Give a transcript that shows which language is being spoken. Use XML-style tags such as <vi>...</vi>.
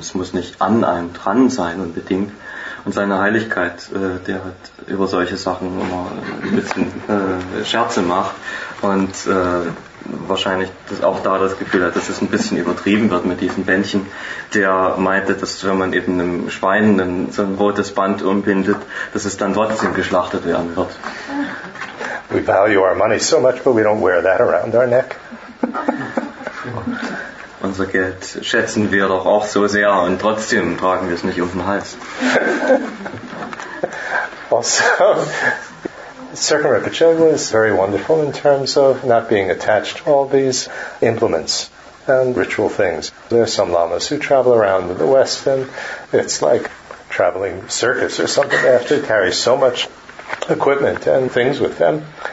<de>Es muss nicht an einem dran sein unbedingt. Und seine Heiligkeit, der hat über solche Sachen immer ein bisschen Scherze macht und wahrscheinlich dass auch da das Gefühl hat, dass es ein bisschen übertrieben wird mit diesen Bändchen. Der meinte, dass wenn man eben einem Schwein so ein rotes Band umbindet, dass es dann trotzdem geschlachtet werden wird.</de> <en>We value our money so much, but we don't wear that around our neck.</en> <de>Unser Geld schätzen wir doch auch so sehr und trotzdem tragen wir es nicht um den Hals.</de> <en>Also, Sirkin Rinpoche was very wonderful in terms of not being attached to all these implements and ritual things. There are some lamas who travel around in the West and it's like traveling circus or something. They have to carry so much equipment and things with them.</en>